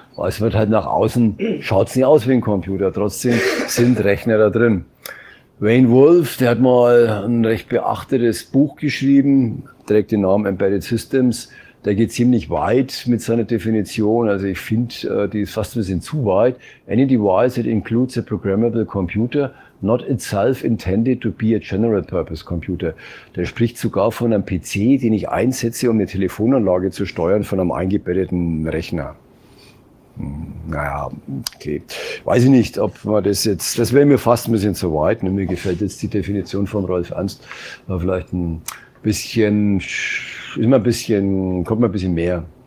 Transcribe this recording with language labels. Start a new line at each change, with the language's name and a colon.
German: Es wird halt nach außen, schaut es nicht aus wie ein Computer, trotzdem sind Rechner da drin. Wayne Wolf, der hat mal ein recht beachtetes Buch geschrieben, trägt den Namen Embedded Systems, der geht ziemlich weit mit seiner Definition, also ich finde, die ist fast ein bisschen zu weit.
English: Any device that includes a programmable computer, not itself intended to be a general-purpose computer.
German: Der spricht sogar von einem PC, den ich einsetze, um eine Telefonanlage zu steuern, von einem eingebetteten Rechner. Naja, okay. Weiß ich nicht, ob man das jetzt, das wäre mir fast ein bisschen zu weit. Mir gefällt jetzt die Definition von Rolf Ernst. War vielleicht ein bisschen, immer ein bisschen, kommt mir ein bisschen mehr.